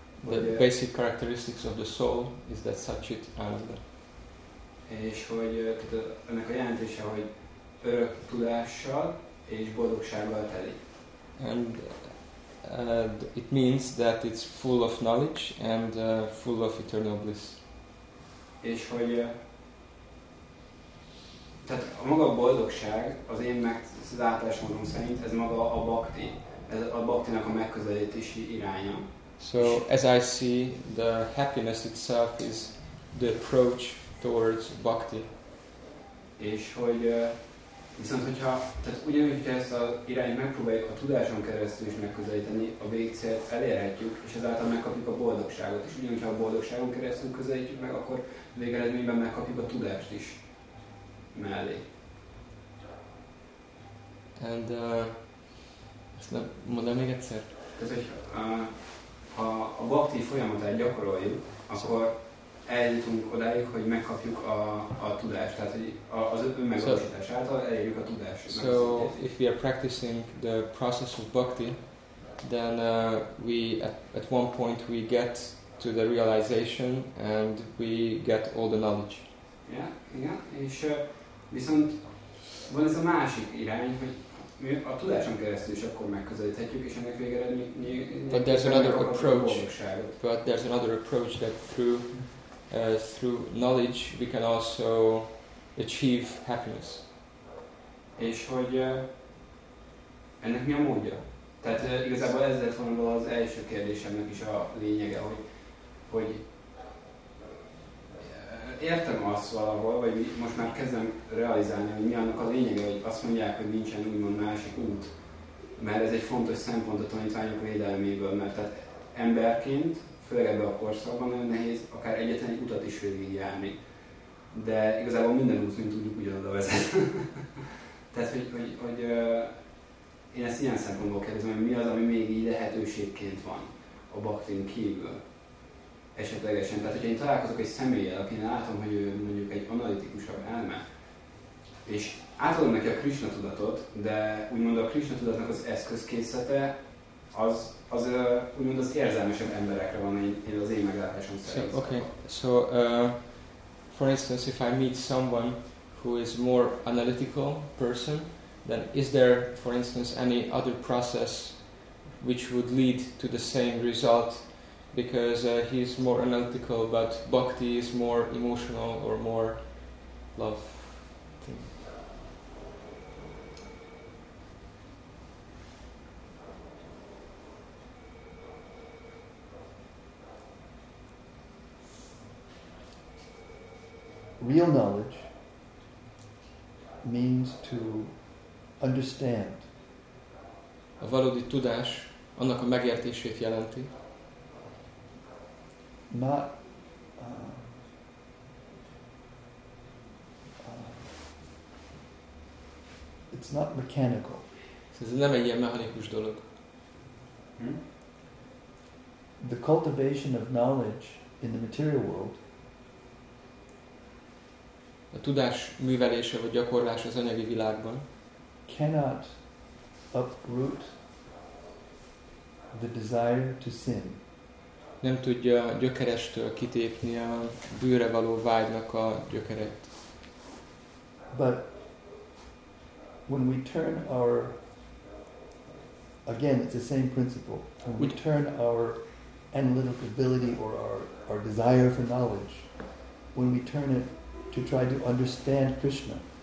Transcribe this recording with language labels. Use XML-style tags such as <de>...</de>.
<en>The basic characteristics of the soul is that Satchit Ananda.</en> <hu>És hogy ennek a jelentése, hogy örök tudással és boldogsággal teli.</hu> <en>And it means that it's full of knowledge and full of eternal bliss.</en> <hu>És hogy tehát a maga boldogság, az én meglátásom szerint, ez maga a bhakti. Ez a bhaktinak a megközelítési iránya.</hu> <en>So, as I see, the happiness itself is the approach towards bhakti.</en> <hu>És hogy viszont, hogyha, tehát ugyanúgy, hogyha ezt az irányt megpróbáljuk a tudáson keresztül is megközelíteni, a végcélt elérhetjük, és ezáltal megkapjuk a boldogságot. És ugyanúgy, ha a boldogságon keresztül közelítjük meg, akkor végeredményben megkapjuk a tudást is mellé. And, ezt nem mondom még egyszer? Tehát, hogy ha a bhakti folyamatát gyakoroljuk, akkor eljutunk odáig, hogy megkapjuk a tudást, tehát hogy az önmegvalósítás által elérjük a tudást.</hu> <en>So, if we are practicing the process of bhakti, then we at one point we get to the realization and we get all the knowledge.</en> <hu>És viszont van ez a másik irány, hogy mi a tudáson keresztül is akkor megközelíthetjük, és ennek végeredményében.</hu> <en>But there's another approach. But there's another approach that through through knowledge we can also achieve happiness.</en> <hu>És hogy ennek mi a módja? Tehát igazából ez lett volna az első kérdésemnek is a lényege, hogy értem azt valahol, vagy most már kezdem realizálni, hogy mi annak a lényege, hogy azt mondják, hogy nincsen úgymond másik út. Mert ez egy fontos szempont a tanítványok védelméből, mert tehát emberként, főleg ebben a korszakban nagyon nehéz akár egyetlen egy utat is végigjárni. De igazából minden út, mint tudjuk, ugyanoda vezet. Tehát, hogy én ezt ilyen szempontból kérdezem, hogy mi az, ami még így lehetőségként van a bhaktin kívül. Esetlegesen. Tehát, hogyha én találkozok egy személlyel, akinek látom, hogy ő mondjuk egy analitikusabb elme, és átadom neki a Krisna tudatot, de úgymond a Krisna tudatnak az eszközkészete, az úgymond az érzelmesebb emberekre van, én az én meglátásom szerint.</hu> <en>So, okay. So, for instance, if I meet someone who is more analytical person, then is there, for instance, any other process which would lead to the same result? Because he is more analytical, but bhakti is more emotional or more love thing. Real knowledge means to understand.</en> <hu>A valódi tudás annak a megértését jelenti.</hu> <en>Not it's not mechanical.</en> <hu>Ez nem egy ilyen mechanikus dolog.</hu> <en>The cultivation of knowledge in the material world.</en> <hu>A tudás művelése vagy gyakorlása az anyagi világban.</hu> <en>Cannot uproot the desire to sin.</en> <hu>Nem tudja gyökerestől kitépni a bűre való vágynak a gyökeret.</hu> <en>But when we turn our, again, it's the same principle. When we turn our analytical ability or our desire for knowledge, when we turn it to try to understand Krishna.</en>